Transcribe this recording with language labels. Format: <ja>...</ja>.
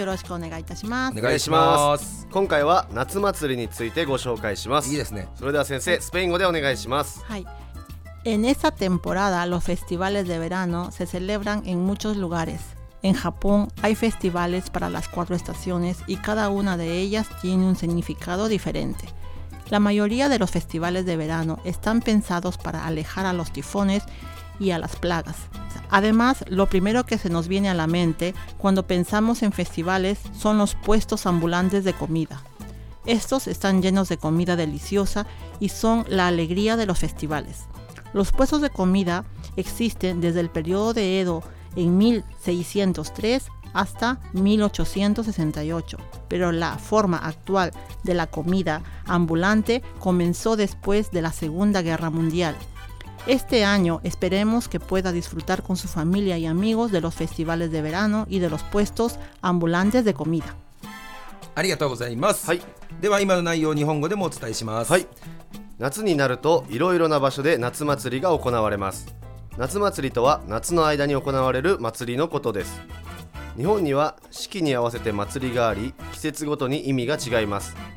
<ja>よろしくお願いいたします。お願いします。今回は夏祭りについてご紹介します。いいですね。それでは先生、スペイン語でお願いします。はい。</ja> <es>En esta temporada, los festivales de verano se celebran en muchos lugares. En Japón, hay festivales para las cuatro estaciones y cada una de ellas tiene un significado diferente. La mayoría de los festivales de verano están pensados para alejar a los tifones y a las plagas. Además, lo primero que se nos viene a la mente cuando pensamos en festivales son los puestos ambulantes de comida. Estos están llenos de comida deliciosa y son la alegría de los festivales. Los puestos de comida existen desde el periodo de Edo en 1603 hasta 1868, pero la forma actual de la comida ambulante comenzó después de la Segunda Guerra Mundial. Este año esperemos que pueda disfrutar con su familia y amigos de los festivales de verano y de los puestos ambulantes de comida.</es> <ja>ありがとうございます。はい。では今の内容を日本語でもお伝えします。はい。夏になるといろいろな場所で夏祭りが行われます。夏祭りとは夏の間に行われる祭りのことです。日本には四季に合わせて祭りがあり、季節ごとに意味が違います。</ja>